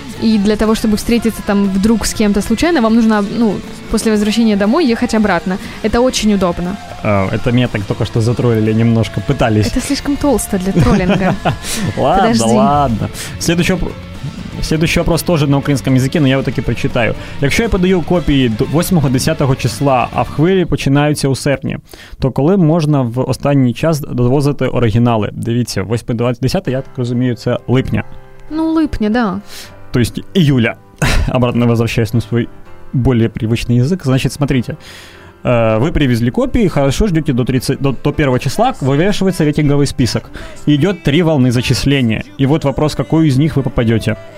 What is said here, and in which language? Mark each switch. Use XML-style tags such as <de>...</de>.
<ru>И для того, чтобы встретиться там вдруг с кем-то случайно, вам нужно, ну, после возвращения домой ехать обратно. Это очень удобно. Это меня так только что затроллили немножко, пытались. Это слишком толсто для троллинга. Ладно, ладно. Следующий вопрос тоже на украинском языке, но я его таки прочитаю.</ru> <uk>Якщо я подаю копії 8-10 числа, а в хвилі починаються у серпні, то коли можна в останній час довозити оригінали? Дивіться, 8-10, я так розумію, це липня. Ну, липня, да.</uk> <ru>То есть июля, обратно возвращаясь на свой более привычный язык. Значит, смотрите, вы привезли копии, хорошо, ждете до 1 числа, вывешивается рейтинговый список. Идет 3 волны зачисления. И вот вопрос, какую из них вы попадете.</ru>